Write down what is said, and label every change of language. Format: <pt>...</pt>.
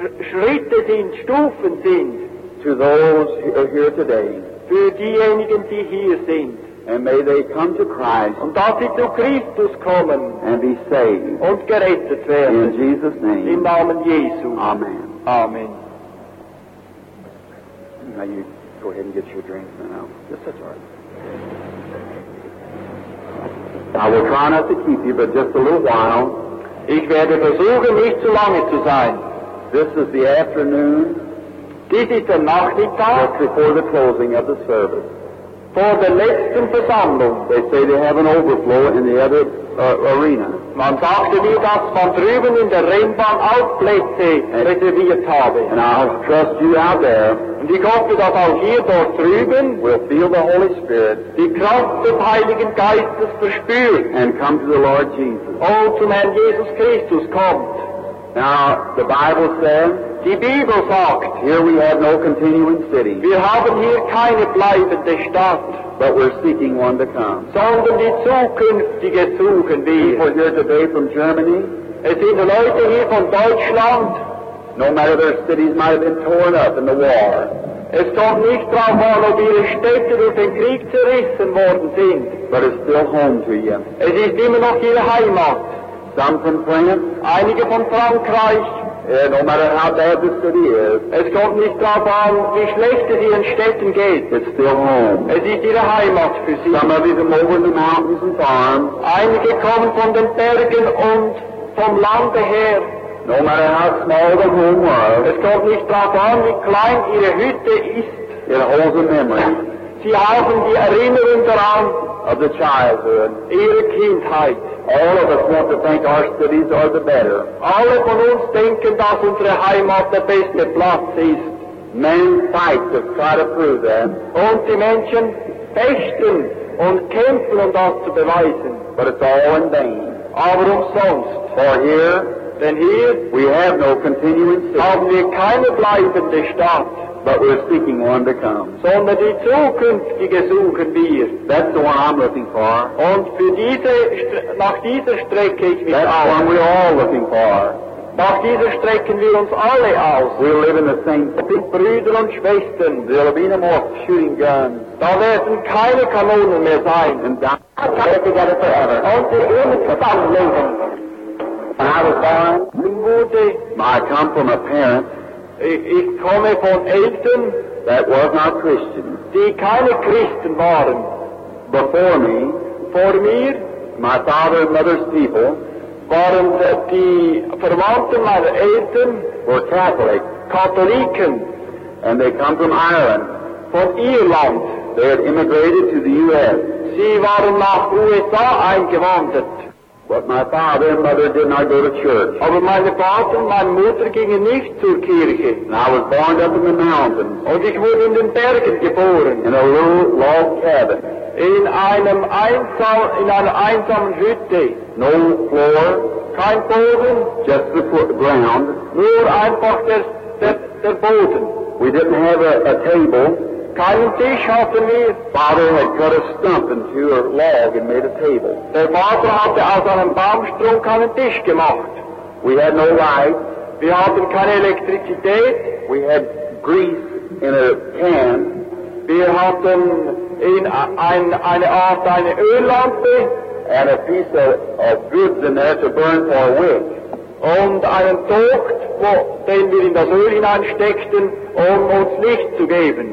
<de>Schritte sind, Stufen sind,</de> <en>to those who are here today,</en> <de>für diejenigen, die hier sind.</de> <en>And may they come to Christ,</en> <de>und dass sie zu Christus kommen,</de> <en>and be saved,</en> <de>und gerettet werden.</de> <en>In Jesus' name.</en> <de>Im Namen Jesu.</de> <en>Amen.</en> <de>Amen.</de> <en>Now you go ahead and get your drink. No. Yes, that's all right. I will try not to keep you, but just a little while.</en> <de>Ich werde versuchen, nicht zu lange zu sein.</de> <en>This is the afternoon.</en> <de>Dies ist der Nachmittag.</de> <en>Just before the closing of the service.</en> <de>Vor der letzten Versammlung.</de> <en>They say they have an overflow in the other arena.</en> <de>Man sagte mir, dass man drüben in der Rennbahn auch Plätze reserviert habe.</de> <en>And I'll trust you out there.</en> <de>Und ich hoffe, dass auch hier dort drüben</de> <en>we'll feel the Holy Spirit,</en> <de>die Kraft des Heiligen Geistes verspürt,</de> <en>and come to the Lord Jesus.</en> <de>Oh, zum Herrn Jesus Christus kommt.</de> <en>Now, the Bible says,</en> <de>die Bibel sagt,</de> <en>here we have no continuing city.</en> <de>Wir haben hier keine bleibende Stadt.</de> <en>But we're seeking one to come.</en> <de>Sondern die zukünftige suchen wir.</de> <en>People here today from Germany.</en> <de>Es sind Leute hier von Deutschland.</de> <en>No matter their cities might have been torn up in the war.</en> <de>Es kommt nicht drauf an, ob ihre Städte durch den Krieg zerrissen worden sind.</de> <en>But it's still home to you.</en> <de>Es ist immer noch ihre Heimat.</de> <en>Some from France.</en> <de>Einige von Frankreich.</de> <en>Yeah, no matter how bad the city is,</en> <de>es kommt nicht darauf an, wie schlecht es ihren Städten geht.</de> <en>It's still home.</en> <de>Es ist ihre Heimat für sie.</de> <en>Some of them over in the mountains and farms.</en> <de>Einige kommen von den Bergen und vom Lande her.</de> <en>No matter how small the home was,</en> <de>es kommt nicht darauf an, wie klein ihre Hütte ist.</de> <en>It holds a memory.</en> <de>Sie haben die Erinnerung daran.</de> <en>Of the childhood.</en> <de>Ihre Kindheit.</de> <en>All of us want to think our cities are the better.</en> <de>Alle von uns denken, dass unsere Heimat der beste Platz ist.</de> <en>Men fight to try to prove that.</en> <de>Und die Menschen fechten und kämpfen, um das zu beweisen.</de> <en>But it's all in vain.</en> <de>Aber umsonst.</de> <en>For here,</en> <de>denn hier,</de> <en>we have no continuing city.</en> <de>Haben wir keine bleibende Stadt.</de> <en>But we're seeking one to come.</en> <de>Sondern die zukünftige suchen wir.</de> <en>That's the one I'm looking for.</en> <de>Und für diese nach dieser strecke ich mich aus.</de> <en>That's the one we're all looking for.</en> <de>Nach dieser strecken wir uns alle aus.</de> <en>We live in the same city.</en> <de>Brüder und Schwestern.</de> <en>There'll be no more shooting guns.</en> <de>Da werden keine Kanonen mehr sein.</de> <en>And die together forever.</en> <de>Und die Ehren zusammenleben.</de> <en>When I was born, I come from a parent.</en> <de>Ich komme von Eltern,</de> <en>that was not Christian,</en> <de>die keine Christen waren.</de> <en>Before me,</en> <de>vor mir,</de> <en>my father and mother's people,</en> <de>waren die Verwandten meiner Eltern,</de> <en>were Catholic,</en> <de>Katholiken,</de> <en>and they come from Ireland,</en> <de>von Irland.</de> <en>They had immigrated to the U.S.</en> <de>Sie waren nach USA eingewandert.</de> <en>But my father and mother did not go to church.</en> <de>Aber meine Vater und meine Mutter gingen nicht zur Kirche.</de> <en>And I was born up in the mountains.</en> <de>Und ich wurde in den Bergen geboren.</de> <en>In a little log cabin.</en> <de>In einer einsamen Hütte.</de> <en>No floor.</en> <de>Kein Boden.</de> <en>Just the ground.</en> <de>Nur einfach der Boden.</de> <en>We didn't have a table.</en> <de>Keinen Tisch hatten wir.</de> <en>Father had cut a stump into a log and made a table.</en> <de>Der Vater hatte aus einem Baumstrunk einen Tisch gemacht.</de> <en>We had no light.</en> <de>Wir hatten keine Elektrizität.</de> <en>We had grease in a can.</en> <de>Wir hatten eine Öllampe.</de> <en>And a piece of goods in there to burn for a wick.</en> <de>Und einen Tocht, den wir in das Öl hineinsteckten, um uns Licht zu geben.</de>